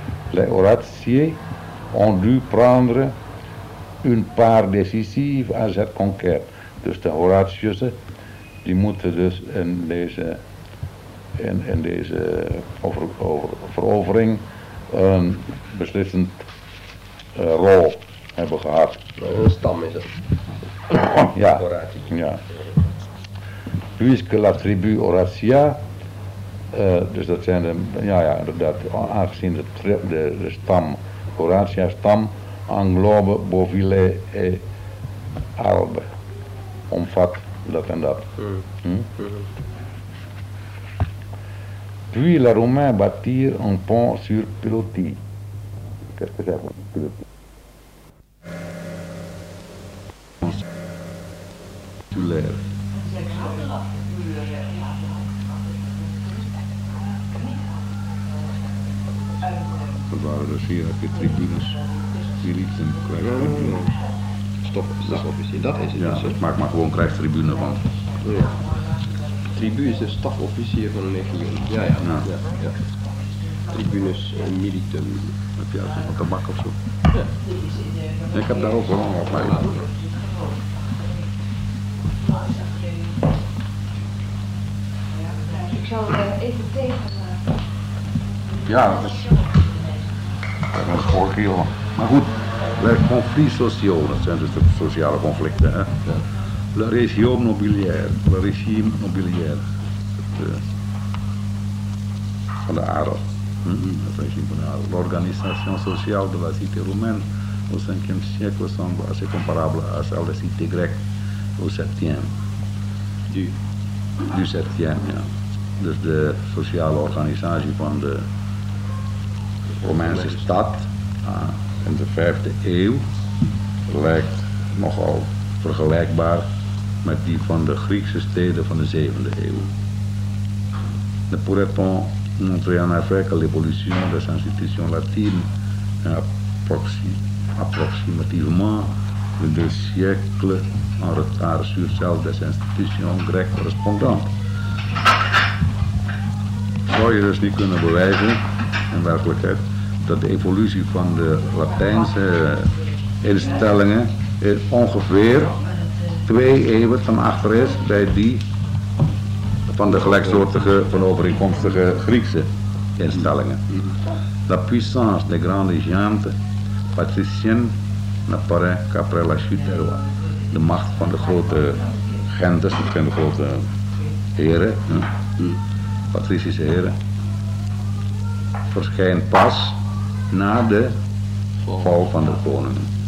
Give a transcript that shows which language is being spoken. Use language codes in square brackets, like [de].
[fr] Les oratiers ont dû prendre une part décisive à cette conquête. [nl] Dus de Horatius die moeten dus in deze verovering een beslissend rol hebben gehad. Een stam is het. Ja. [fr] Puisque la tribu Horatia, [nl] dus dat zijn de, ja inderdaad, aangezien de stam, Horatia stam, [fr] englobe, bovile et albe, [nl] omvat dat en dat. [fr] Puis la Romain bâtir un pont sur Piloti. Qu'est-ce que c'est Piloti? Tulaire. [nl] Dat waren dus hier, heb je tribunes. weer iets en krijg ik een tribune. Stof, stofofficier, dat is het. Ja, dus, maak maar gewoon krijgstribune van. Ja. Tribune is de stafofficier van een legio. Ja, ja, ja, ja, ja. [la] Tribunus militum. [nl] Heb je uitzicht van tabak of zo? Ja. Ik heb daar ook wel wat bij. Ik zal het even tegen. Ja, dat is gewoon heel. Maar goed, [fr] le conflit social, [nl] dat zijn dus de sociale conflicten. Hè? Ja. [fr] Le régime nobiliaire, le régime nobiliaire. [nl] Van de adel. Het régime van de adel. [fr] L'organisation sociale de la cité romaine au 5e siècle semble assez comparable à celle de la cité grecque au 7e. Du [nl] 7e, ja. Dus de sociale organisatie van de Romeinse stad in de 5e eeuw lijkt nogal vergelijkbaar met die van de Griekse steden van de 7e eeuw. [fr] Ne pourrait-on montrer en effet que l'évolution des institutions latines est approximativement de 2 siècles en retard sur celle des institutions grecques correspondantes? [nl] Zou je dus niet kunnen bewijzen, in werkelijkheid, dat de evolutie van de Latijnse instellingen ongeveer 2 eeuwen van achter is bij die van de gelijksoortige, van overeenkomstige Griekse instellingen. [fr] La puissance des grandes gentes patriciennes n'apparaît qu'après la chute des rois. [nl] De macht van de grote gentes, van de grote heren, patricische heren, verschijnt pas na de val van de koning.